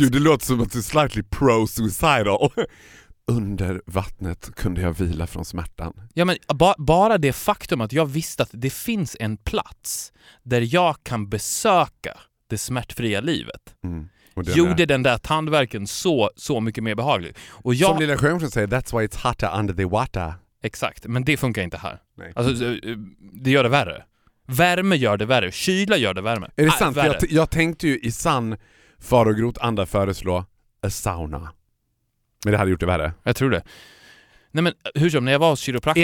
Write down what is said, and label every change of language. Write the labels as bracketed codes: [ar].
[sv] Gud, det låter som att du är [en] slightly pro-suicidal. [sv] Under vattnet kunde jag vila från smärtan. Ja, men bara det faktum att jag visste att det finns en plats där jag kan besöka det smärtfria livet. Och gjorde den där tandverken så mycket mer behaglig. Och jag... Som Lilla Sjöngsson säger, [en] that's why it's hotter under the water. [sv] Exakt, men det funkar inte här. Nej. Alltså, det gör det värre. Värme gör det värre. Kyla gör det värme. Är det sant? Jag tänkte ju i sann far och grot anda föreslå [en] a sauna. [sv] Men det hade gjort det värre. Jag tror det. Nej, men hur som, när jag var hos kiropraktorn...